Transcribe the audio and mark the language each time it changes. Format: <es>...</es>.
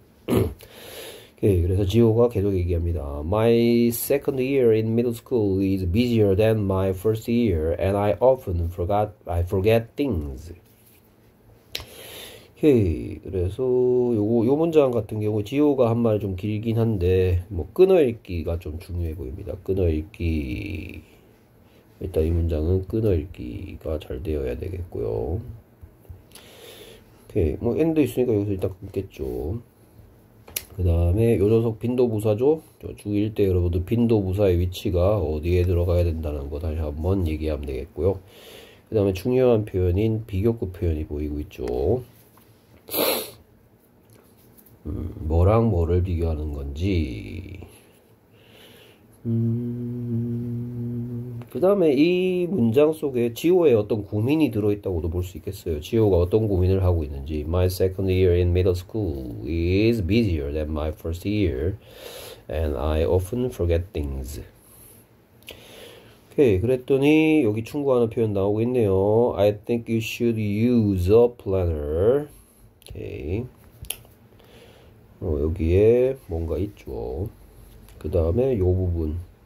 <ko>네, 그래서 지호가 계속 얘기합니다.</ko> <en>My second year in middle school is busier than my first year, and I forget things.</en> <ko>헤이, 그래서 요 문장 같은 경우 지호가 한 말이 좀 길긴 한데 뭐 끊어읽기가 좀 중요해 보입니다. 끊어읽기. 일단 이 문장은 끊어읽기가 잘 되어야 되겠고요. 오케이. 뭐 엔드 있으니까 여기서 일단 끊겠죠. 그 다음에 요 녀석 빈도 부사죠? 주의할 때 여러분들 빈도 부사의 위치가 어디에 들어가야 된다는 거 다시 한번 얘기하면 되겠고요. 그 다음에 중요한 표현인 비교급 표현이 보이고 있죠. 뭐랑 뭐를 비교하는 건지. 그 다음에 이 문장 속에 지호의 어떤 고민이 들어있다고도 볼수 있겠어요. 지호가 어떤 고민을 하고 있는지.</ko> <en>My second year in middle school is busier than my first year, and I often forget things.</en> <ko>오케이. 그랬더니 여기 충고하는 표현 나오고 있네요.</ko> <en>I think you should use a planner. 오케이.</en> <ko>여기에 뭔가 있죠. 그 다음에 요 부분.</ko>